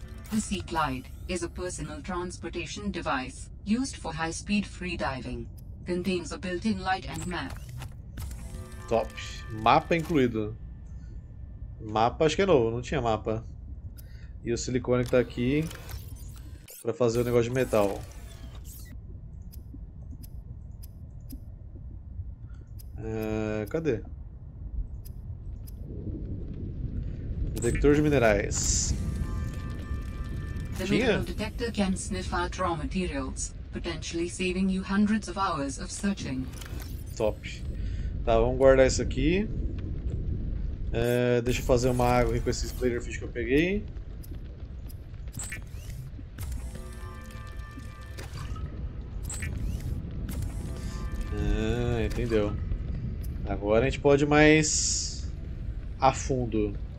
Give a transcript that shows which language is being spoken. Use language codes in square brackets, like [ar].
[en] The Seaglide is a personal transportation device used for high-speed free diving. Contains a built-in light and map. [pt] Top. Mapa incluído. Mapa acho que é novo, não tinha mapa. E o silicone que tá aqui para fazer o negócio de metal. Cadê? Detector de minerais. [en] The mineral detector can sniff out raw materials, potentially saving you hundreds of hours of searching. [pt] Top. Tá, vamos guardar isso aqui. Deixa eu fazer uma água aqui com esse splitter fish que eu peguei. Entendeu. Agora a gente pode ir mais a fundo.